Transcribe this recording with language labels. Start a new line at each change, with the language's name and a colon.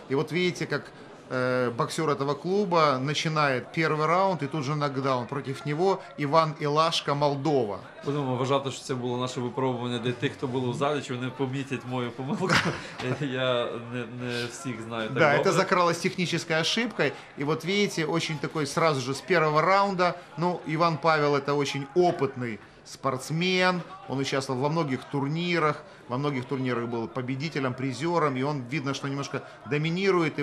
Russian: І от видите, як боксер этого клуба начинает первый раунд и тут же нокдаун. Против него Иван Илашко, Молдова.
Ukrainian: Будемо вважати, що це було наше випробування для тих, хто був у залі, чи вони помітять мою помилку. Я не всіх знаю.
Russian: Да, это закралась техническая ошибка. И вот видите, очень такой сразу же с первого раунда. Ну, Иван Павел — это очень опытный спортсмен. Он участвовал во многих турнирах. Во многих турнирах был победителем, призером, и он, видно, что немножко доминирует.